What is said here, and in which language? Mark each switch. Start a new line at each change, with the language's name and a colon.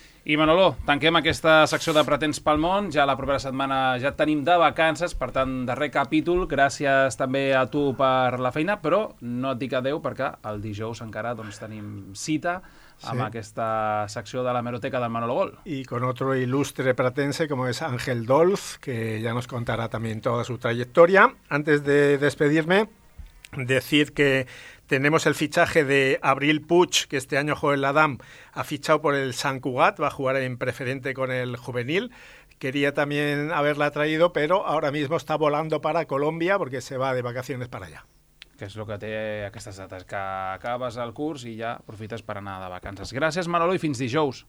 Catalan: I Manolo, tanquem aquesta secció de Pretens pel món. Ja la propera setmana ja tenim de vacances, per tant, darrer capítol. Gràcies també a tu per la feina, però no et dic adeu perquè el dijous encara doncs, tenim cita amb sí. aquesta secció de l'hemeroteca del Manolo Gol.
Spanish: I con otro ilustre pretense, como es Ángel Dolf, que ya nos contará también toda su trayectoria. Antes de despedirme, decir que tenemos el fichaje de Abril Puig, que este año juega en la DAM, ha fichado por el Sant Cugat, va a jugar en preferente con el juvenil. Quería también haberla traído, pero ahora mismo está volando para Colombia porque se va de vacaciones para allá.
Catalan: Que és el que té aquestes dates, que acabes el curs i ja aprofites per anar de vacances. Gràcies, Manolo, i fins dijous.